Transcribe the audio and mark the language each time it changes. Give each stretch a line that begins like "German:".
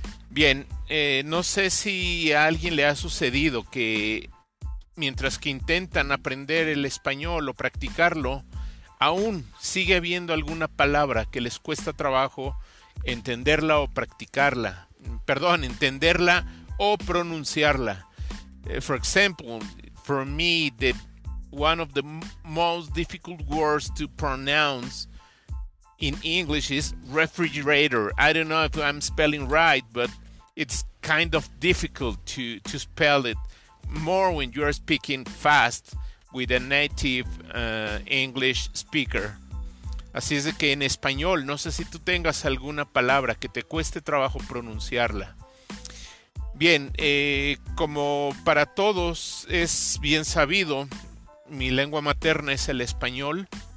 Spanish: Bien, no sé si a alguien le ha sucedido que mientras que intentan aprender el español o practicarlo, aún sigue habiendo alguna palabra que les cuesta trabajo entenderla o practicarla. Perdón, entenderla o pronunciarla.
English: For example, for me, one of the most difficult words to pronounce in English is refrigerator. I don't know if I'm spelling right, but it's kind of difficult to spell it more when you're speaking fast with a native English speaker.
Spanish: Así es que en español, no sé si tú tengas alguna palabra que te cueste trabajo pronunciarla. Bien, como para todos es bien sabido, mi lengua materna es el español.